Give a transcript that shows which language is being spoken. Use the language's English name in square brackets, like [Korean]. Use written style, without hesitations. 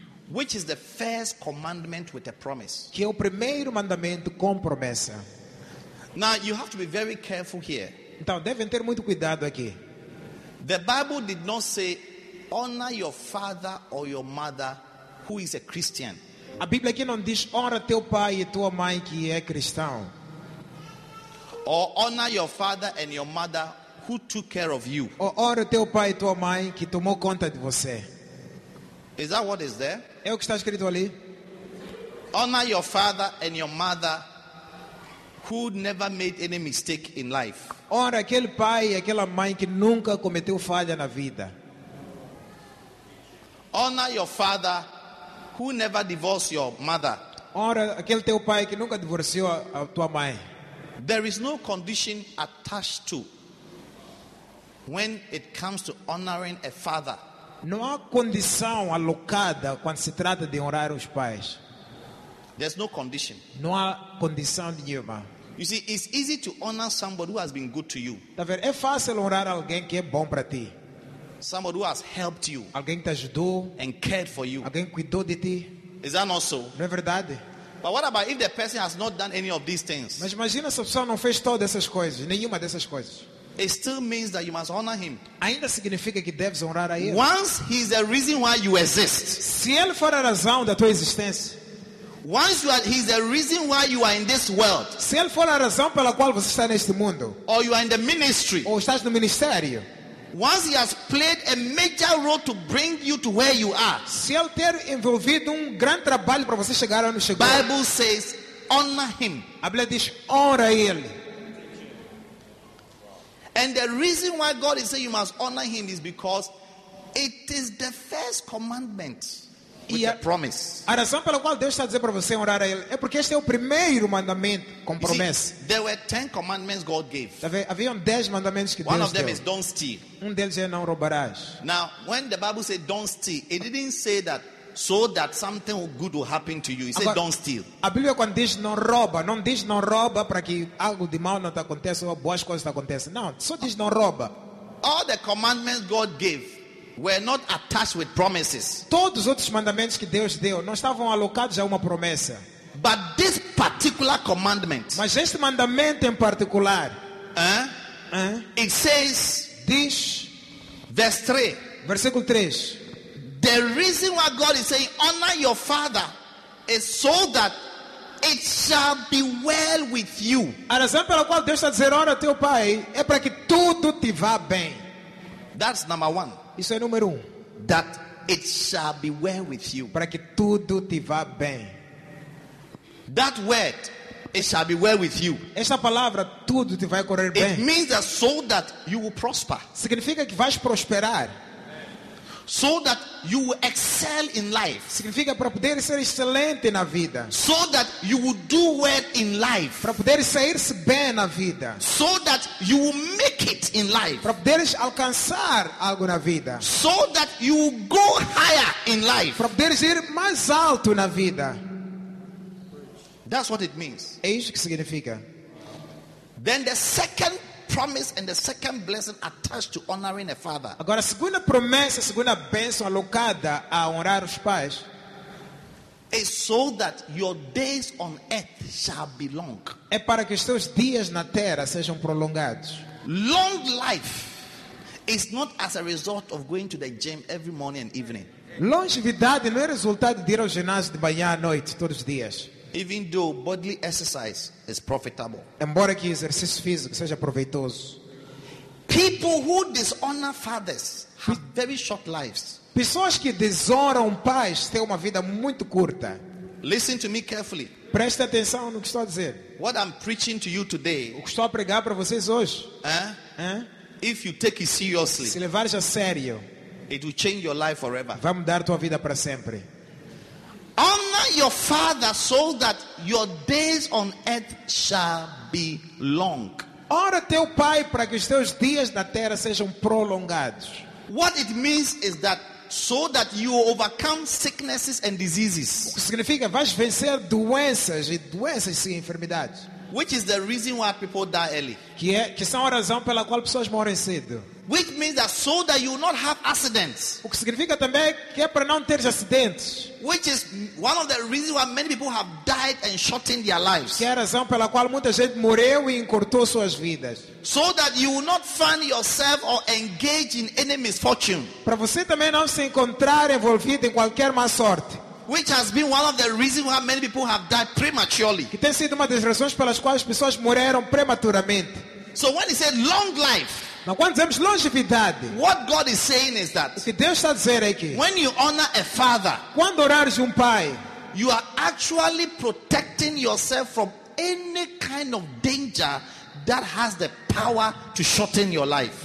[English] Which is the first commandment with a promise. [Portuguese] Que é o primeiro mandamento com promessa. [English] Now you have to be very careful here. [Portuguese] Então devem ter muito cuidado aqui. [English] The Bible did not say honor your father or your mother who is a Christian. [Portuguese] A Bíblia aqui não diz honra teu pai e tua mãe que é cristão. [English] Or honor your father and your mother who took care of you. [Portuguese] Ou honra teu pai e tua mãe que tomou conta de você. [English] Is that what is there? [Portuguese] É o que está escrito ali. [English] Honor your father and your mother who never made any mistake in life. [Portuguese] Honra aquele pai e aquela mãe que nunca cometeu falha na vida. [English] Honor your father who never divorced your mother. [Portuguese] Honra aquele teu pai que nunca divorciou a tua mãe. [English] There is no condition attached to when it comes to honoring a father. [Portuguese] Não há condição alocada quando se trata de honrar os pais. [English] There's no condition. [Portuguese] Não há condição nenhuma. [English] You see, it's easy to honor somebody who has been good to you. [Portuguese] Tá vendo? É fácil honrar alguém que é bom para ti. [English] Somebody who has helped you, [Portuguese] alguém que te ajudou, [English] and cared for you, [Portuguese] alguém cuidou de ti. [English] Is that not so? [Portuguese] Não é verdade? [English] But what about if the person has not done any of these things? [Portuguese] Mas imagina se a pessoa não fez todas essas coisas, nenhuma dessas coisas. [English] It still means that you must honor him. [Portuguese] Ainda significa que deves honrar a ele. [English] Once he is the reason why you exist. [Portuguese] Se ele for a razão da tua existência. [English] Once you are, he's the reason why you are in this world. [Portuguese] Se ele for a razão pela qual você está neste mundo. [English] Or you are in the ministry. [Portuguese] Ou estás no ministério. [English] Once he has played a major role to bring you to where you are. [Portuguese] Se ele ter envolvido grande trabalho para você chegar onde chegou. [English] Bible says, honor him. [Portuguese] A Bíblia diz, honra ele. [English] And the reason why God is saying you must honor him is because it is the first commandment with a promise. [Portuguese] A razão pela qual Deus está dizendo para você honrar a ele é porque este é o primeiro mandamento com promessa. [English] See, there were 10 commandments God gave. [Portuguese] Havia 10 mandamentos que [English] One [Portuguese] Deus [English] of them [Portuguese] deu. [English] Is don't steal. [Portuguese] Deles é não roubarás. [English] Now, when the Bible said don't steal, it didn't say that so that something good will happen to you. It said don't steal. [Portuguese] A Bíblia quando diz não rouba, não diz não rouba para que algo de mal não te aconteça ou boas coisas te aconteçam. Não, só diz não rouba. [English] All the commandments God gave were not attached with promises. [Portuguese] Todos os outros mandamentos que Deus deu não estavam alocados a uma promessa. [English] But this particular commandment. [Portuguese] Mas este mandamento em particular. [English] It says, [Portuguese] diz, [English] verse 3. [Portuguese] Versículo 3. [English] The reason why God is saying honor your father is so that it shall be well with you. [Portuguese] A razão pela qual Deus está dizendo honra teu pai é para que tudo te vá bem. [English] That's number one. [Portuguese] Isso é número um. [English] That it shall be well with you. [Portuguese] Para que tudo te vá bem. [English] That word, it shall be well with you. [Portuguese] Essa palavra, tudo te vai correr bem. [English] It means that so that you will prosper. [Portuguese] Significa que vais prosperar. [English] So that you will excel in life. [Portuguese] Significa para poder ser excelente na vida. [English] So that you will do well in life. [Portuguese] Para poder sair-se bem na vida. [English] So that you will make it in life. [Portuguese] Para poder alcançar algo na vida. [English] So that you will go higher in life. [Portuguese] Para poder ir mais alto na vida. [English] That's what it means. [Portuguese] É isso que significa. [English] Then the second promise and the second blessing attached to honoring a father. [Portuguese] Agora, a segunda promessa, a segunda bênção alocada a honrar os pais [English] is so that your days on earth shall be long. [Portuguese] É para que os teus dias na terra sejam prolongados. [English] Long life is not as a result of going to the gym every morning and evening. [Portuguese] Longevidade não é resultado de ir ao ginásio de manhã à noite todos os dias. [English] Even though bodily exercise is profitable. [Portuguese] Embora que exercício físico seja proveitoso. [English] People who dishonor fathers have very short lives. [Portuguese] Pessoas que desonram pais têm uma vida muito curta. [English] Listen to me carefully. [Portuguese] Preste atenção no que estou a dizer. [English] What I'm preaching to you today. [Portuguese] O que estou a pregar para vocês hoje. [English] If you take it seriously. [Portuguese] Se levares a sério. [English] It will change your life forever. [Portuguese] Vai mudar tua vida para sempre. [English] Honor your father so that your days on earth shall be long. [Portuguese] Honra teu pai para que os teus dias na terra sejam prolongados. [English] What it means is that so that you overcome sicknesses and diseases. [Portuguese] O que significa vais vencer doenças e doenças e enfermidades. [English] Which is the reason why people die early. [Portuguese] Que são a razão pela qual pessoas morrem cedo. [English] Which means that so that you will not have accidents. [Portuguese] O que significa também que é para não ter acidentes. [English] Which is one of the reasons why many people have died and shortened their lives. [Portuguese] Que é a razão pela qual muita gente morreu e encurtou suas vidas. [English] So that you will not find yourself or engage in any misfortune. [Portuguese] Para você também não se encontrar envolvido em qualquer má sorte. [English] Which has been one of the reasons why many people have died prematurely. [Portuguese] Que tem sido uma das razões pelas quais pessoas morreram prematuramente. [English] So when he said long life. Now, [Portuguese] quando dizemos longevidade, [English] what God is saying is that, [Portuguese] o que Deus está a dizer é que, [English] when you honor a father, [Portuguese] quando orares pai, [English] you are actually protecting yourself from any kind of danger that has the power to shorten your life.